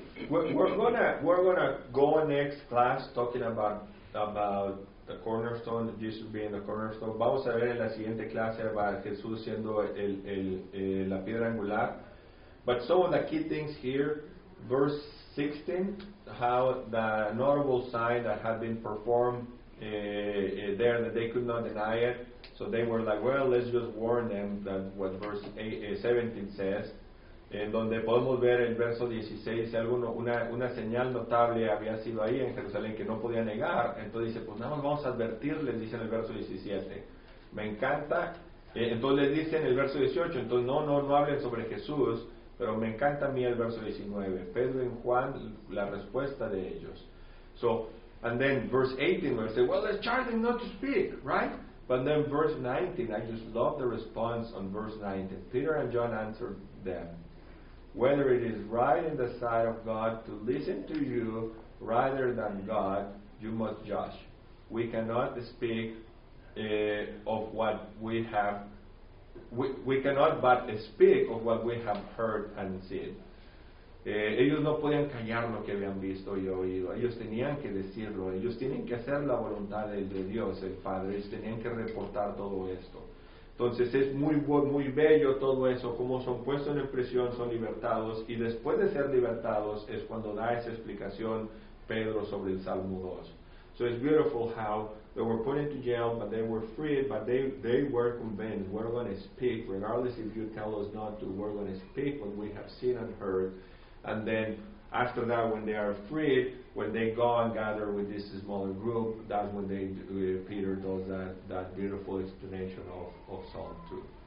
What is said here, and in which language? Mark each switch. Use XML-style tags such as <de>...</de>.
<en>We're gonna go next class talking about the cornerstone, Jesus being the cornerstone.</en> <es>Vamos a ver en la siguiente clase a Jesús siendo la piedra angular.</es> <en>But some of the key things here, verse 16, how the notable sign that had been performed there that they could not deny it. So they were like, well, let's just warn them that what verse 17 says.</en> <es>En donde podemos ver el verso 16, una señal notable había sido ahí en Jerusalén que no podía negar. Entonces dice, pues nada más vamos a advertirles, dice en el verso 17. Me encanta. Entonces les dice en el verso 18, entonces no hablen sobre Jesús, pero me encanta a mí el verso 19. Pedro y Juan, la respuesta de ellos.</es> <en>So, and then verse 18, where they say, well, let's charge them not to speak, right? But then verse 19, I just love the response on verse 19. Peter and John answered them, whether it is right in the sight of God to listen to you rather than God, you must judge. We cannot speak of what we have. We cannot but speak of what we have heard and seen.</en> <es>Ellos no podían callar lo que habían visto y oído. Ellos tenían que decirlo. Ellos tienen que hacer la voluntad de Dios, el Padre. Ellos tenían que reportar todo esto. Entonces es muy muy bello todo eso, cómo son puestos en prisión, son libertados, y después de ser libertados es cuando da esa explicación Pedro sobre el Salmo 2.</es> <en>So it's beautiful how they were put into jail, but they were freed, but they were convinced, we're going to speak, regardless if you tell us not to, we're going to speak what we have seen and heard. And then after that, when they are freed, when they go and gather with this smaller group, that's when Peter does that beautiful explanation of Psalm 2.</en>